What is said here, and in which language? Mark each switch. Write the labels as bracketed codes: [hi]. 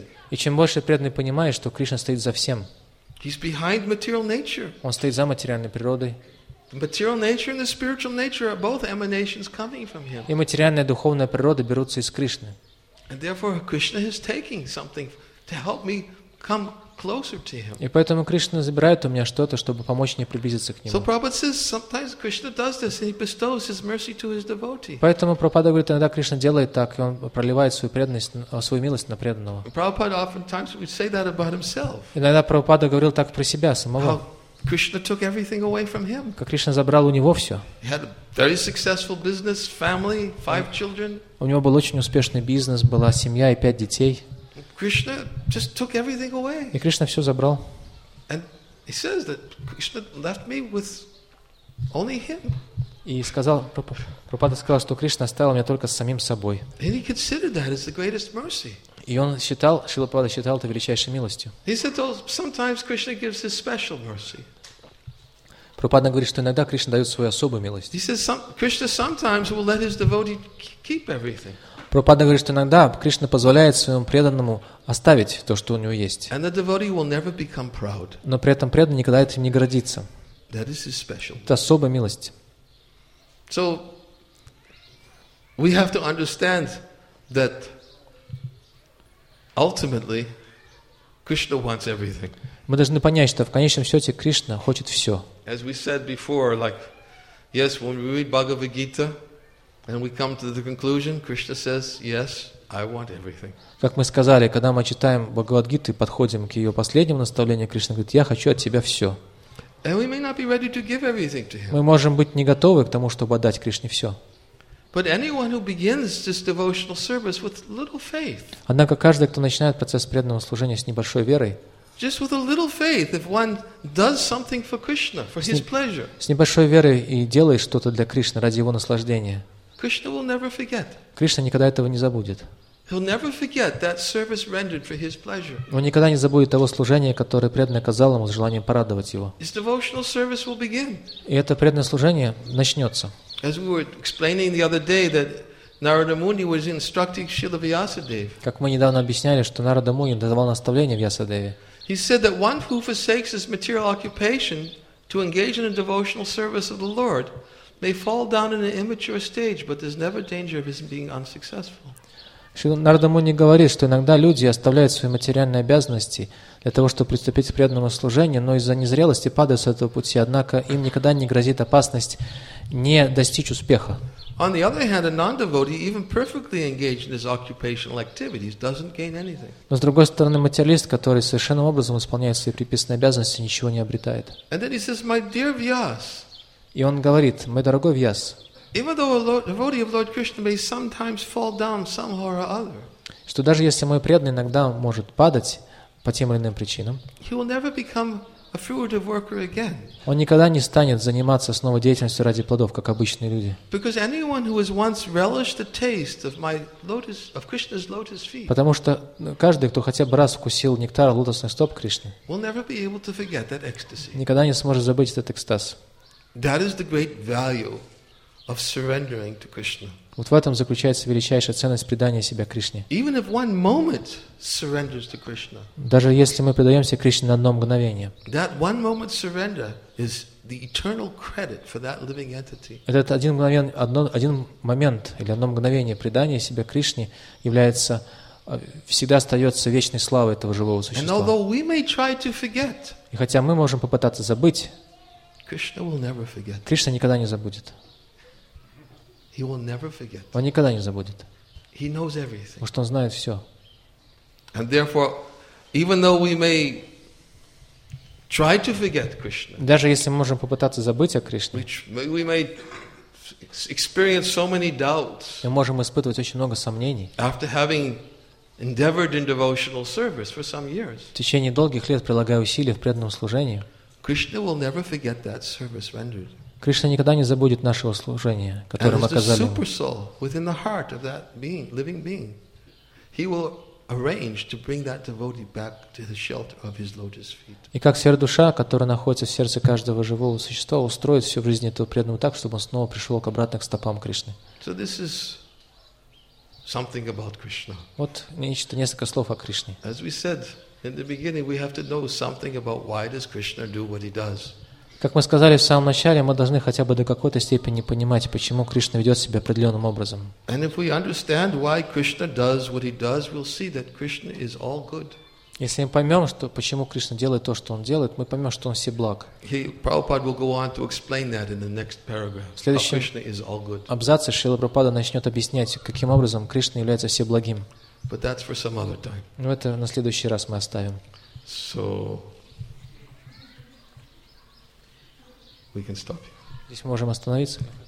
[ru] И чем больше преданный понимает, что Кришна стоит за всем, [en] He's behind material nature. [ru] Он стоит за материальной природой. [en] The material nature and the spiritual nature are both emanations coming from him. [ru] И материальная и духовная природа берутся из Кришны. [en] And therefore, Krishna is taking something to help me come closer to him. [ru] И поэтому Кришна забирает у меня что-то, чтобы помочь мне приблизиться к нему. [en] So Prabhupada says sometimes Krishna does this and he bestows his mercy to his devotee. [ru] Поэтому Прабхупада говорит, иногда Кришна делает так, и он проливает свою преданность, свою милость на преданного. [en] Prabhupada oftentimes would say that about himself. [ru] Иногда Прабхупада говорил так про себя самого. [en] Krishna took everything away from him. [ru] Как Кришна забрал у него все. [en] He had a very successful business, family, five children. [ru] У него был очень успешный бизнес, была семья и пять детей. [en] Krishna just took everything away. [ru] И Кришна все забрал. [en] And he says that Krishna left me with only him. [ru] И сказал, Прабхупада сказал, что Кришна оставил меня только с самим собой. [en] And he considered that as the greatest mercy. [ru] И он считал, Шрила Прабхупада считал это величайшей милостью. [en] He said that sometimes Krishna gives his special mercy. [ru] Прабхупада говорит, что иногда Кришна дает свою особую милость. [en] He says Krishna sometimes will let his devotee keep everything. [ru] Прабхупада говорит, что иногда Кришна позволяет своему преданному оставить то, что у него есть. [en] And the devotee will never become proud. [ru] Но при этом преданный никогда этим не гордится. [en] That is his special. [ru] Это особая милость. [en] So, we have to understand that ultimately Krishna wants everything. [ru] Мы должны понять, что в конечном счете Кришна хочет все. [en] As we said before, like, yes, when we read Bhagavad Gita, and we come to the conclusion, Krishna says, "Yes, I want everything." [ru] Как мы сказали, когда мы читаем Бхагавад-гиту и подходим к ее последнему наставлению, Кришна говорит: "Я хочу от тебя все." [en] And we may not be ready to give everything to him. [ru] Мы можем быть не готовы к тому, чтобы отдать Кришне все. [en] But anyone who begins this devotional service with little faith. [ru] Однако каждый, кто начинает процесс преданного служения с небольшой верой. [en] Just with a little faith, if one does something for Krishna, for his pleasure. [ru] С небольшой верой и делаешь что-то для Кришны ради его наслаждения. [en] Krishna will never forget. [ru] Кришна никогда этого не забудет. [en] He'll never forget that service rendered for his pleasure. [ru] Он никогда не забудет того служения, которое преданный оказал ему с желанием порадовать его. [en] His devotional service will begin. [ru] И это преданное служение начнется. [en] As we were explaining the other day that Narada Muni was instructing Śrīla Vyāsadeva. [ru] Как мы недавно объясняли, что Нарада Муни давал наставление Вьясадеве. [en] He said that one who forsakes his material occupation to engage in a devotional service of the Lord may fall down in an immature stage, but there's never danger of his being unsuccessful. [ru] Нарада Муни говорит, что иногда люди оставляют свои материальные обязанности для того, чтобы приступить к преданному служению, но из-за незрелости падают с этого пути, однако им никогда не грозит опасность не достичь успеха. [en] On the other hand, a non-devotee, even perfectly engaged in his occupational activities, doesn't gain anything. [ru] Но с другой стороны, материалист, который совершенным образом исполняет свои приписанные обязанности, ничего не обретает. [en] And then he says, "My dear Vyas." [ru] И он говорит, мой дорогой Вьяс. [en] Even though a devotee of Lord Krishna may sometimes fall down somehow or other. [ru] Что даже если мой преданный иногда может падать по тем или иным причинам. [en] He will never become a fruitive worker again. [ru] Он никогда не станет заниматься снова деятельностью ради плодов, как обычные люди. [en] Because anyone who has once relished the taste of my lotus of Krishna's lotus feet. [ru] Потому что каждый, кто хотя бы раз вкусил нектар лотосных стоп Кришны. [en] Will never be able to forget that ecstasy. [ru] Никогда не сможет забыть этот экстаз. [en] That is the great value of surrendering to Krishna. [ru] Вот в этом заключается величайшая ценность предания себя Кришне. [en] Even if one moment surrenders to Krishna. [ru] Даже если мы предаемся Кришне на одно мгновение. [en] That one moment surrender is the eternal credit for that living entity. [ru] Этот один момент или одно мгновение предания себя Кришне является всегда остается вечной славой этого живого существа. [en] And although we may try to forget. [ru] И хотя мы можем попытаться забыть. [en] Krishna will never forget. [ru] Кришна никогда не забудет. [en] He will never forget. [ru] Он никогда не забудет. [en] He knows everything. [ru] Потому что он знает все. [en] And therefore, even though we may try to forget Krishna, [ru] даже если мы можем попытаться забыть о Кришне, [en] we may experience so many doubts. [ru] Мы можем испытывать очень много сомнений. [en] After having endeavored in devotional service for some years. [ru] В течение долгих лет прилагая усилия в преданном служении. [en] Krishna will never forget that service rendered. [ru] Кришна никогда не забудет нашего служения, которое мы оказали. [en] Super soul within the heart of that being, living being, he will arrange to bring that devotee back to the shelter of his lotus feet. [ru] И как сверхдуша, которая находится в сердце каждого живого существа, устроит все в жизни этого преданного так, чтобы он снова пришел к обратно к стопам Кришны. [en] So this is something about Krishna. [ru] Вот нечто, несколько слов о Кришне. [en] As we said in the beginning, we have to know something about why does Krishna do what he does. [ru] Как мы сказали в самом начале, мы должны хотя бы до какой-то степени понимать, почему Кришна ведет себя определенным образом. Если мы поймем, что, почему Кришна делает то, что Он делает, мы поймем, что Он всеблаг. [en] Prabhupada will go on to explain that in the next paragraph. [ru] В следующем абзаце Шрила Прабхупада начнет объяснять, каким образом Кришна является всеблагим. [en] But that's for some other time. [ru] Но это на следующий раз мы оставим. So... [en] We can stop. [ru] Здесь мы можем остановиться.